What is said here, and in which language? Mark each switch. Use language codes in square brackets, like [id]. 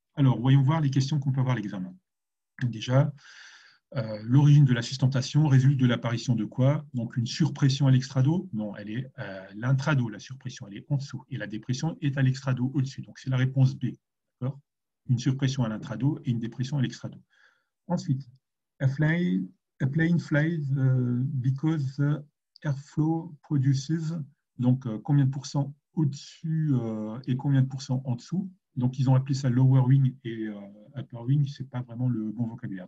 [fr] Alors, voyons voir les questions qu'on peut avoir à l'examen. Déjà, l'origine de la sustentation résulte de l'apparition de quoi? Donc une surpression à l'extrado? Non, elle est à l'intrado, la surpression, elle est en dessous. Et la dépression est à l'extrado, au-dessus. Donc c'est la réponse B. D'accord? Une surpression à l'intrado et une dépression à l'extrado. [en] Ensuite, a plane flies because airflow produces. [fr] Donc combien de pourcents au-dessus et combien de pourcents en dessous? Donc ils ont appelé ça lower wing et upper wing, ce n'est pas vraiment le bon vocabulaire.